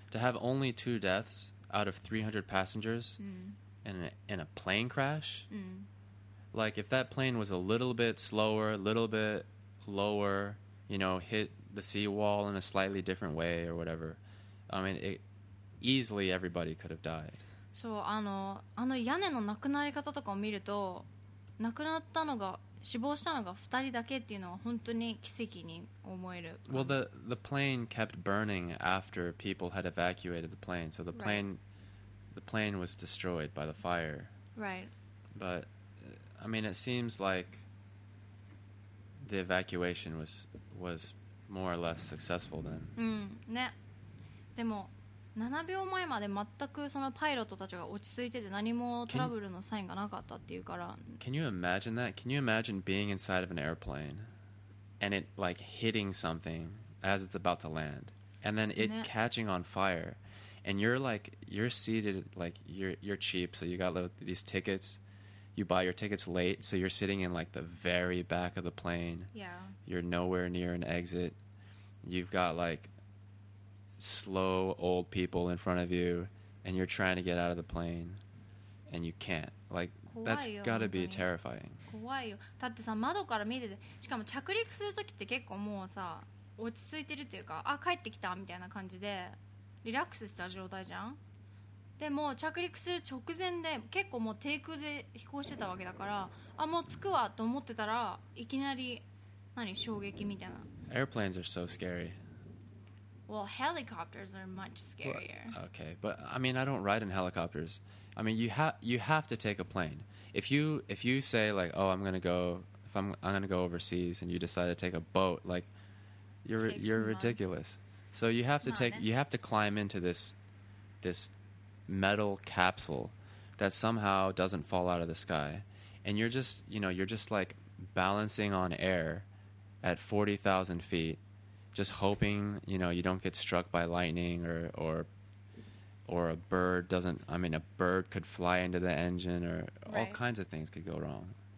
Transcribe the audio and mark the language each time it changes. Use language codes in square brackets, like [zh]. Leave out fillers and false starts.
[en] To have only two deaths out of 300 passengers in a plane crash. Like if that plane was a little bit slower, a little bit lower, you know, hit the seawall in a slightly different way or whatever. I mean, it easily everybody could have died. [ja] So, あの屋根のなくなり方とかを見ると、なくなったのが死亡したのが2人だけっていうのは本当に奇跡に思える。 [en] Well, the plane kept burning after people had evacuated the plane, so the plane was destroyed by the fire. Right. But I mean, it seems like the evacuation was more or less successful then. [ja] ね。でも7秒前まで全くそのパイロットたちが落ち着いてて何もトラブルのサインがなかったっていうから。 [en] Can you imagine that? Can you imagine being inside of an airplane? and it like hitting something as it's about to land, and then it catching on fire, and you're like, you're seated, like you're cheap, so you got these tickets, you buy your tickets late, so you're sitting in like the very back of the plane. Yeah, you're nowhere near an exit. You've got like slow old people in front of you, and you're trying to get out of the plane, and you can't. Like, that's gotta be terrifying. [ja] 怖いよ。だってさ、窓から見てて、しかも着陸するときって結構もうさ、落ち着いてるっていうか、あ、帰ってきたみたいな感じでリラックスした状態じゃん。でも着陸する直前で結構もう低空で飛行してたわけだから、あ、もう着くわと思ってたら、いきなり何、衝撃みたいな。 [en] Airplanes are so scary. Well, helicopters are much scarier. Well, okay, but I mean, I don't ride in helicopters. I mean, you have to take a plane. If you say like, oh, I'm gonna go overseas, and you decide to take a boat, like you're ridiculous. So you have to climb into this metal capsule that somehow doesn't fall out of the sky, and you're just like balancing on air at 40,000 feet, just hoping, you know, you don't get struck by lightning or a bird doesn't, I mean, a bird could fly into the engine, or all kinds of things could go wrong.